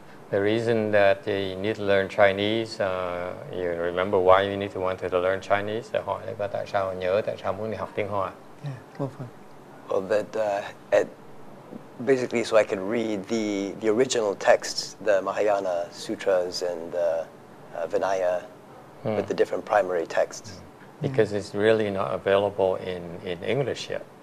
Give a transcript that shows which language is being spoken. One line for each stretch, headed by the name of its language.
English: The reason that you need to learn Chinese, you remember why you need to want to learn Chinese?
Vietnamese: Thì hỏi là tại sao nhớ, tại sao muốn đi học tiếng Hoa?
English: Well, that basically, so I could read the original texts, the Mahayana sutras and the Vinaya, with the different primary texts. Because it's really not available in English yet.